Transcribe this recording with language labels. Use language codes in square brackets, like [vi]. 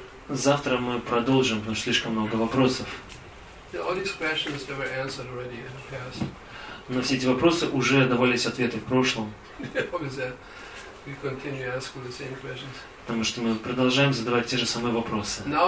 [ru] Завтра мы продолжим, потому что слишком много вопросов. [en] All these questions were answered already in the past. [ru] Но все эти вопросы уже давались ответы в прошлом. Потому что мы продолжаем задавать те же самые вопросы.